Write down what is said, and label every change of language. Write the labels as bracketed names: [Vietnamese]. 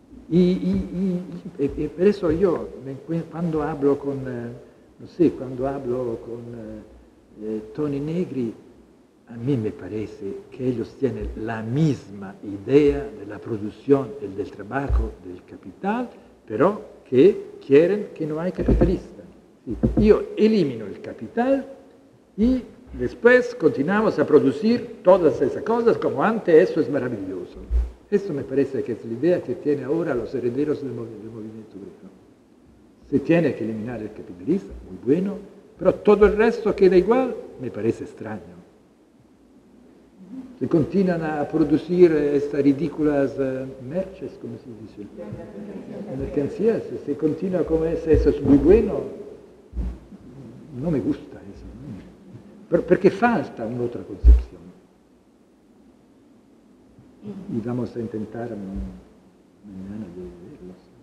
[Spanish] Y por eso yo, cuando hablo con, no sé, cuando hablo con Tony Negri, a mí me parece que ellos tienen la misma idea de la producción y del trabajo del capital, pero que quieren que no haya capitalista. Sí. Yo elimino el capital y después continuamos a producir todas esas cosas como antes, eso es maravilloso. [Italian] Questo mi pare che sia l'idea che tiene ora los herederos del movimento greco. Se tiene che eliminare il capitalismo, muy bueno, però tutto il resto queda igual, mi pare strano. Se continuano a producir queste ridicole merces, come si dice? Mercancías, se continua come questo, è muy bueno, non mi gusta questo. Perché falta un'altra concezione. [Spanish] Y vamos a intentar mañana de verlos.